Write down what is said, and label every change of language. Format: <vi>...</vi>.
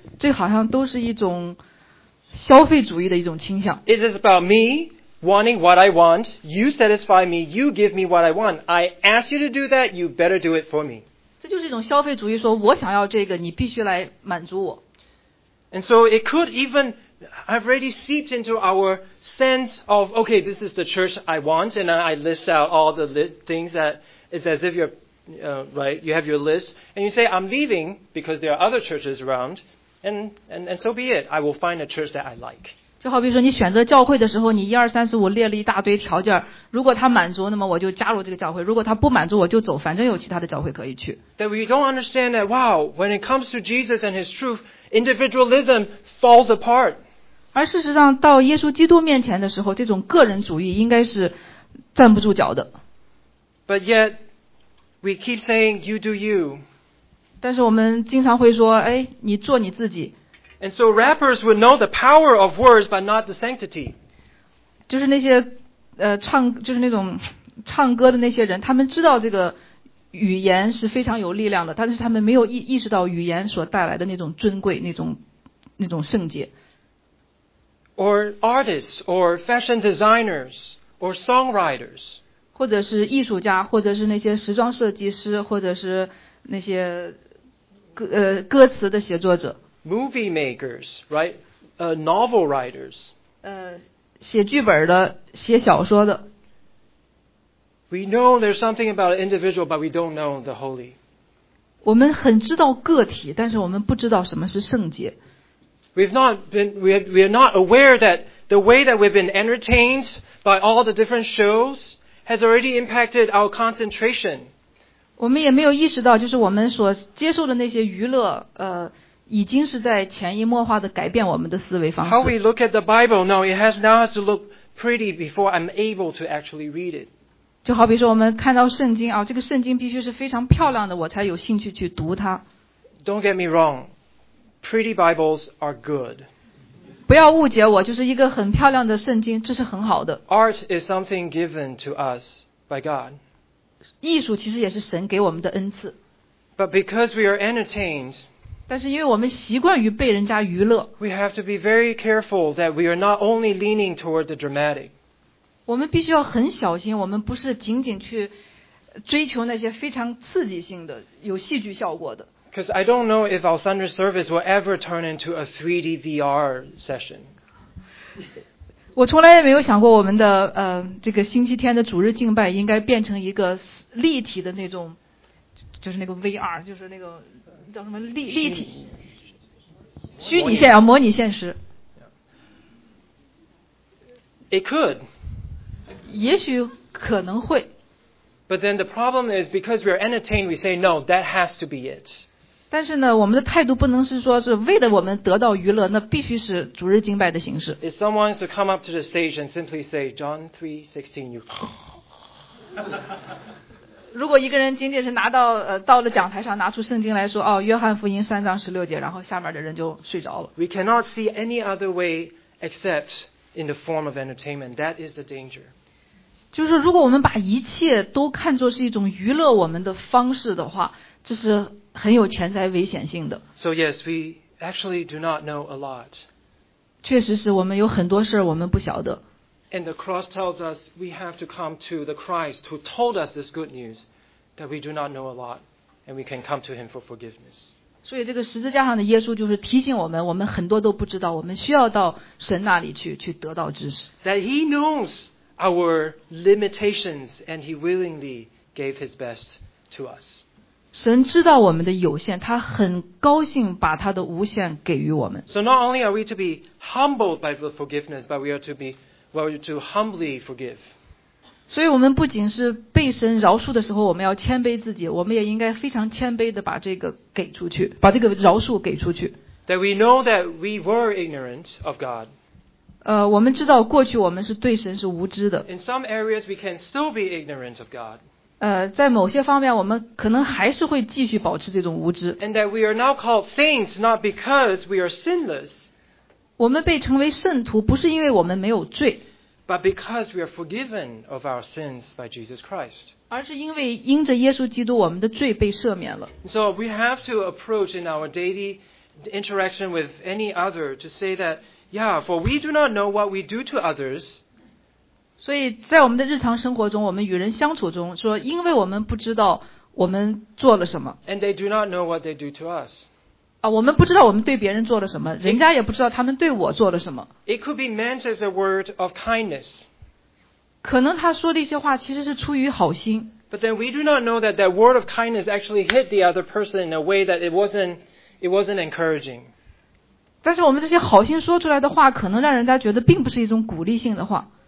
<zh>这好像都是一种消费主义的一种倾向。</zh> <en>It is about me wanting what I want. You satisfy me. You give me what I want. I ask you to do that. You better do it for me.</en> <zh>这就是一种消费主义，说我想要这个，你必须来满足我。</zh> <en>And so it could even have already seeped into our sense of, okay, this is the church I want, and I list out all the things that it's as if you're, right, you have your list, and you say, I'm leaving because there are other churches around,And so be it. I will find a church that I like.</en> <zh>就好比说你选择教会的时候，你一二三四五列了一大堆条件，如果他满足，那么我就加入这个教会；如果他不满足，我就走，反正有其他的教会可以去。</zh> <en>That we don't understand that. Wow, when it comes to Jesus and His truth, individualism falls apart.</en> <zh>而事实上，到耶稣基督面前的时候，这种个人主义应该是站不住脚的。</zh> <en>But yet, we keep saying, "You do you."</en> <zh>但是我们经常会说，哎，你做你自己。</zh> <en>And so rappers would know the power of words, but not the sanctity.</en> <zh>就是那些唱，就是那种唱歌的那些人，他们知道这个语言是非常有力量的，但是他们没有意识到语言所带来的那种尊贵，那种圣洁。</zh> <en>Or artists, or fashion designers, or songwriters.</en> <zh>或者是艺术家，或者是那些时装设计师，或者是那些歌词的写作者</zh> <en>，movie makers, right? Novel writers.</en> <zh>写剧本的，写小说的。</zh> <en>We know there's something about an individual, but we don't know the holy.</en> <zh>我们很知道个体，但是我们不知道什么是圣洁。</zh> <en>We are not aware that the way that we've been entertained by all the different shows has already impacted our concentration.</en> <zh>我们也没有意识到，就是我们所接受的那些娱乐，已经是在潜移默化的改变我们的思维方式。</zh> <en>How we look at the Bible? No, it has now has to look pretty before I'm able to actually read it.</en> <zh>就好比说，我们看到圣经啊，这个圣经必须是非常漂亮的，我才有兴趣去读它。</zh> <en>Don't get me wrong, pretty Bibles are good.</en> <zh>不要误解我，就是一个很漂亮的圣经，这是很好的。</zh> <en>Art is something given to us by God.</en> <zh>艺术其实也是神给我们的恩赐。</zh> <en>But because we are entertained,</en> <zh>但是因为我们习惯于被人家娱乐，</zh> <en>we have to be very careful that we are not only leaning toward the dramatic.</en> <zh>我们必须要很小心，我们不是仅仅去追求那些非常刺激性的、有戏剧效果的。</zh> <en>Because I don't know if our Sunday service will ever turn into a 3D VR session.</en> <zh>我从来也没有想过我们的这个星期天的主日敬拜应该变成一个立体的那种，就是那个 VR， 就是那个叫什么立体虚拟现实啊，模拟现实。</zh> <en>It could.</en> <zh>也许可能会。</zh> <en>But then the problem is because we are entertained, we say no, that has to be it.</en> <zh>但是呢，我们的态度不能是说是为了我们得到娱乐，那必须是主日敬拜的形式。</zh> <en>If someone is to come up to the stage and simply say John 3:16, you.</en> <zh>如果一个人仅仅是拿到到了讲台上拿出圣经来说，哦，约翰福音3:16，然后下面的人就睡着了。</zh> <en>We cannot see any other way except in the form of entertainment. That is the danger.</en> <zh>就是如果我们把一切都看作是一种娱乐我们的方式的话，这是很有潜在危险性的。</zh> <en>So yes, we actually do not know a lot.</en> <zh>确实是我们有很多事我们不晓得。</zh> <en>And the cross tells us we have to come to the Christ who told us this good news that we do not know a lot and we can come to him for forgiveness.</en> <zh>所以这个十字架上的耶稣就是提醒我们，我们很多都不知道，我们需要到神那里去得到知识。</zh> <en>That he knows our limitations and he willingly gave his best to us.</en> <zh>神知道我们的有限，他很高兴把他的无限给予我们。</zh> <en>So not only are we to be humbled by the forgiveness, but we are to humbly forgive.</en> <zh>所以我们不仅是被神饶恕的时候，我们要谦卑自己，我们也应该非常谦卑地把这个给出去，把这个饶恕给出去。</zh> <en>that we know that we were ignorant of God.</en> <zh>我们知道过去我们是对神是无知的。</zh> <en>In some areas, we can still be ignorant of God.</en> <zh>在某些方面，我们可能还是会继续保持这种无知。</zh> <en>And that we are now called saints not because we are sinless.</en> <zh>我们被称为圣徒不是因为我们没有罪。</zh> <en>But because we are forgiven of our sins by Jesus Christ.</en> <zh>而是因为因着耶稣基督我们的罪被赦免了。</zh> <en>So we have to approach in our daily interaction with any other to say that, yeah, for we do not know what we do to others.</en> <zh>所以在我们的日常生活中我们与人相处中说因为我们不知道我们做了什么。</zh> <en>And they do not know what they do to us.</en> <zh>我们不知道我们对别人做了什么，人家也不知道他们对我做了什么。</zh> <en>It could be meant as a word of kindness.</en> <zh>可能他说的一些话其实是出于好心。</zh> <en>But then we do not know that that word of kindness actually hit the other person in a way that it wasn't encouraging.</en> <zh>但是我们这些好心说出来的话，可能让人家觉得并不是一种鼓励性的话。</zh>